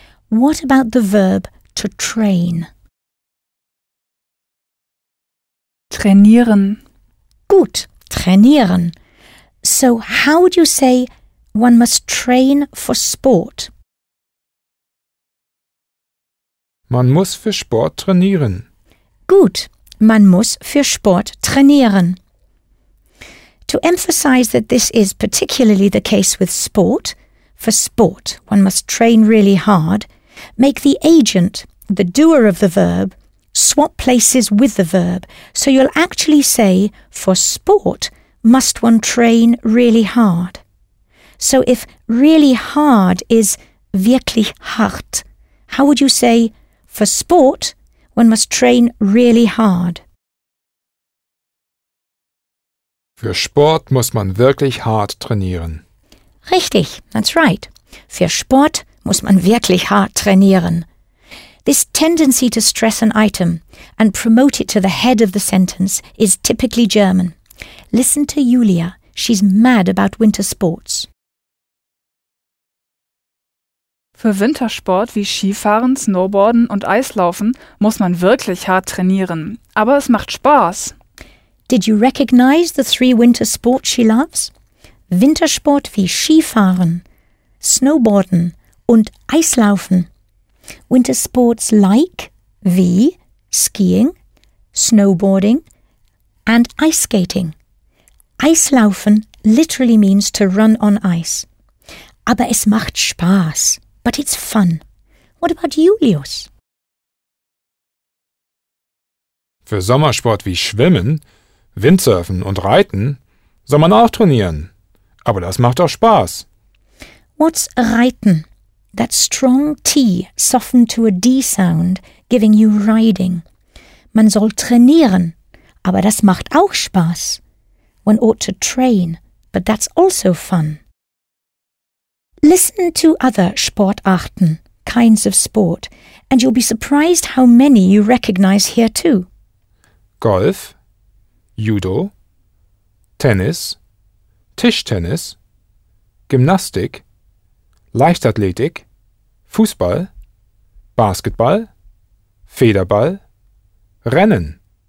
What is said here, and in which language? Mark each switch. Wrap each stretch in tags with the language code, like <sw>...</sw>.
<en>What about the verb to train?</en> <de>Trainieren. Gut, trainieren.</de> <en>So, how would you say one must train for sport?</en> <de>Man muss für Sport trainieren. Gut, man muss für Sport trainieren.</de> <en>To emphasize that this is particularly the case with sport, for sport, one must train really hard, make the agent, the doer of the verb, swap places with the verb. So you'll actually say, for sport, must one train really hard. So if really hard is</en> <de>wirklich hart,</de> <en>how would you say, for sport, one must train really hard?</en> <de>Für Sport muss man wirklich hart trainieren. Richtig,</de> <en>that's right.</en> <de>Für Sport muss man wirklich hart trainieren.</de> <en>This tendency to stress an item and promote it to the head of the sentence is typically German. Listen to Julia. She's mad about winter sports.</en> <de>Für Wintersport wie Skifahren, Snowboarden und Eislaufen muss man wirklich hart trainieren. Aber es macht Spaß.</de> <en>Did you recognize the three winter sports she loves?</en> <de>Wintersport wie Skifahren, Snowboarden und Eislaufen.</de> <en>Winter sports like, wie, skiing, snowboarding and ice skating. Eislaufen literally means to run on ice.</en> <de>Aber es macht Spaß.</de> <en>But it's fun. What about Julius?</en> <de>Für Sommersport wie Schwimmen, Windsurfen und Reiten soll man auch trainieren. Aber das macht auch Spaß.</de> <en>What's Reiten? That strong T softened to a D sound, giving you riding.</en> <de>Man soll trainieren, aber das macht auch Spaß.</de> <en>One ought to train, but that's also fun. Listen to other Sportarten, kinds of sport, and you'll be surprised how many you recognize here too.</en> <de>Golf, Judo, Tennis, Tischtennis, Gymnastik, Leichtathletik, Fußball, Basketball, Federball, Rennen.</de>